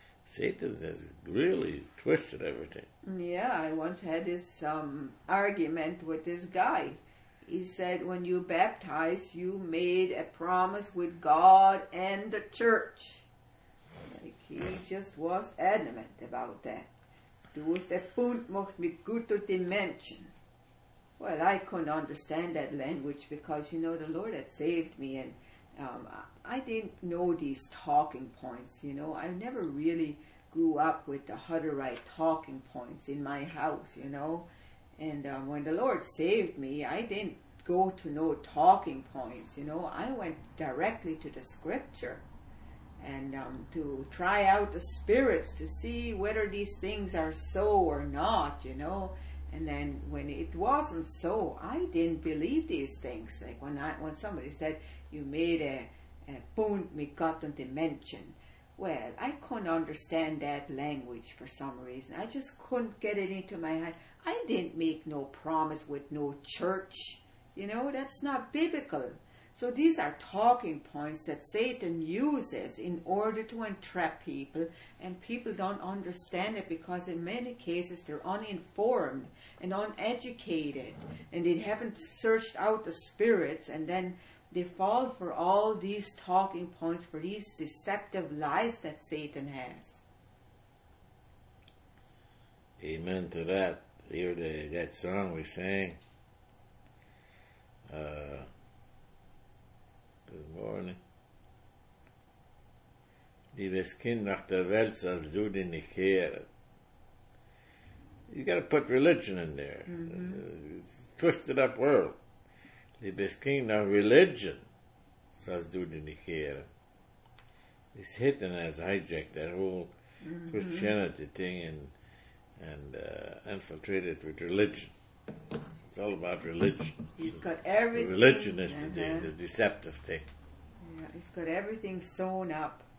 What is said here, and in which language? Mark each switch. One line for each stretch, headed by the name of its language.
English: Satan has really twisted everything. Yeah, I once had this argument with this guy. He said, when you baptized, you made a promise with God and the church. Like, he just was adamant about that.
German: Du musst der Bund macht mit Gott und den Menschen.
English: Well, I couldn't understand that language because, you know, the Lord had saved me, and I didn't know these talking points, you know. I never really grew up with the Hutterite talking points in my house, you know. And when the Lord saved me, I didn't go to no talking points, you know. I went directly to the scripture and to try out the spirits to see whether these things are so or not, you know. And then when it wasn't so, I didn't believe these things. Like when somebody said, you made a
German: Bund mit Gott und den Menschen.
English: Well, I couldn't understand that language for some reason. I just couldn't get it into my head. I didn't make no promise with no church. You know, that's not biblical. So these are talking points that Satan uses in order to entrap people, and people don't understand it because in many cases they're uninformed and uneducated, and they haven't searched out the spirits, and then they fall for all these talking points, for these deceptive lies that Satan has. Amen to that. Hear that song we sang. Good morning.
German: Liebes Kind, nach der Welt sollst du dich nicht kehren.
English: You got to put religion in there. Mm-hmm. Twisted up world.
German: Liebes Kind, nach religion sollst du dich nicht kehren.
English: Satan has hijacked that whole Christianity thing and infiltrated with religion. It's all about religion. He's got everything. Religion is the deceptive thing. Yeah, he's got everything sewn up.